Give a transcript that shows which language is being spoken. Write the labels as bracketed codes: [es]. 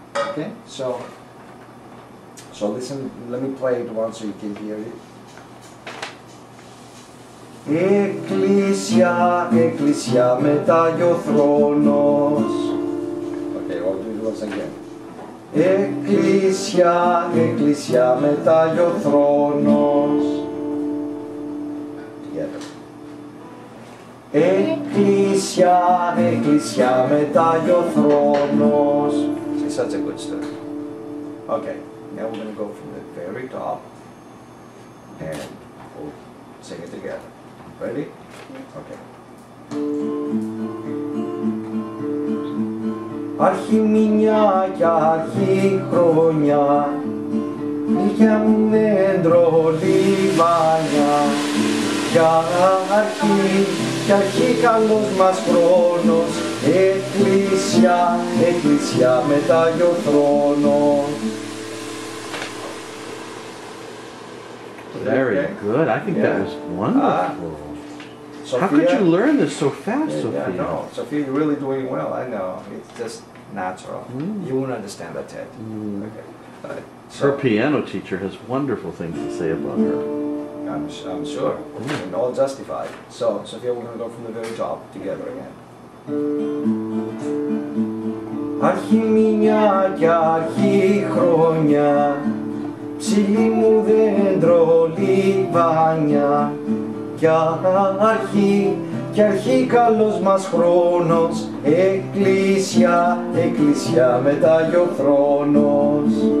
[en] Okay, so listen, let me play it once so you can hear it. [el] Εκκλησιά μετάγιο θρόνος. [en] Okay, I'll do it once again. [el] Εκκλησία, εκκλησία μετάγει ο θρόνος. Εκκλησία, εκκλησία μετάγει ο θρόνος. [en] It's such a good story. Okay, now we're going to go from the very top and we'll sing it together. Ready? Okay. [el] Αρχιμηνιά και αρχιχρόνια Λίγια μου δέντρο λιβάνια Για αρχή κι αρχή καλός μας χρόνος Εκκλησιά, εκκλησιά μετά γιο θρόνο [en] Very good, I think that was wonderful. Sophia, how could you learn this so fast, Sophia? Yeah, no, Sophia, you're really doing well, I know. It's just natural. You won't understand that, Ted. Mm. Okay. So, her piano teacher has wonderful things to say about her. I'm sure. And all justified. So, Sophia, we're going to go from the very top together again. [el] Κι αρχή, κι αρχή καλός μας χρόνος Εκκλησιά, εκκλησιά μετά γιο θρόνος